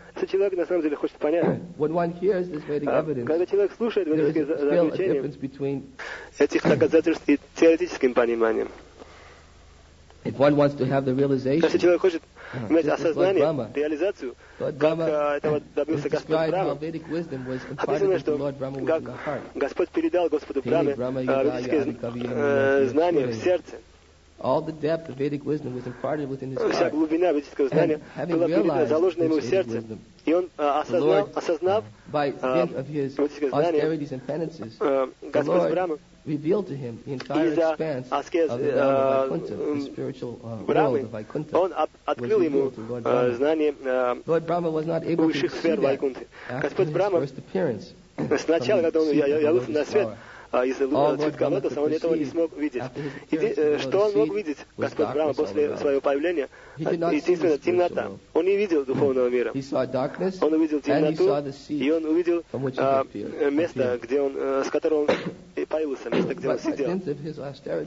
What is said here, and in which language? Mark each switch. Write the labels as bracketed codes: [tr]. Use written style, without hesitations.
[ru] Если человек на самом деле хочет понять, когда человек слушает ведические заключения этих доказательств и теоретическим пониманием, если человек хочет иметь осознание, реализацию, как этого добился Господь Брама, описано, что как Господь передал Господу Браме ведические знания в сердце. [en] All the depth of Vedic wisdom was imparted within his heart. [ru] Вся глубина ведического знания была передана, заложена ему в сердце. И он осознав ведическое знание, Господь Брама [en] revealed to him the entire expanse of the Vaikuntha, the spiritual world of Vaikuntha. [ru] Он открыл ему знание высших сфер Вайкунты. Господь Брама сначала, когда он явился на свет, а из цветка лотоса он этого не смог видеть. И что он мог видеть, Господь Брама, после своего появления? Единственное, темнота. Он не видел духовного мира. Он увидел темноту, и он увидел место, где он, с которого он появился, место, где он сидел.